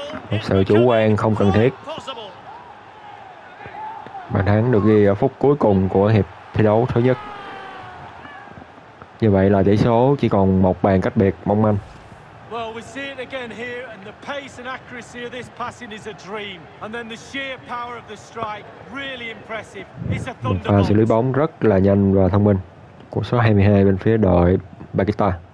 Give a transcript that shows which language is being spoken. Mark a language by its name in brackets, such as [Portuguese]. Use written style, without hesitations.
[Vietnamese] Một sự chủ quan không cần thiết. Bàn thắng được ghi ở phút cuối cùng của hiệp thi đấu thứ nhất. Như vậy là tỷ số chỉ còn một bàn cách biệt mong manh. [English] Well, we see it again here, and the pace and accuracy of this passing is a dream. And then the sheer power of the strike, really impressive. It's a thunderbolt. [Vietnamese] Pha xử lý bóng rất là nhanh và thông minh của số 22 bên phía đội Bakita.